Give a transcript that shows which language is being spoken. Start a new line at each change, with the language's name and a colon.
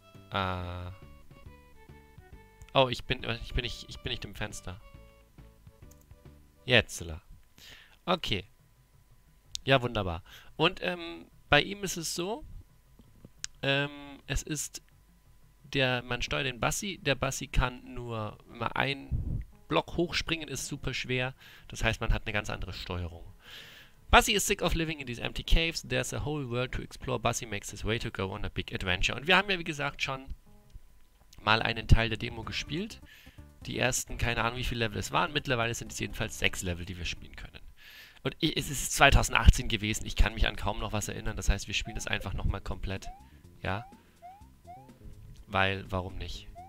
German: Ah. Oh, ich bin nicht im Fenster. Jetzt. Okay. Ja, wunderbar. Und bei ihm ist es so, es ist der, man steuert den Bassi, der Bassi kann nur immer ein Block hochspringen, ist super schwer. Das heißt, man hat eine ganz andere Steuerung.
English: Bassi is sick of living in these empty caves. There's a whole world to explore. Bassi makes his way to go on a big adventure.
German: Und wir haben ja, wie gesagt, schon mal einen Teil der Demo gespielt. Die ersten, keine Ahnung, wie viele Level es waren. Mittlerweile sind es jedenfalls 6 Level, die wir spielen können. Und es ist 2018 gewesen. Ich kann mich an kaum noch was erinnern. Das heißt, wir spielen es einfach nochmal komplett. Ja? Weil, warum nicht?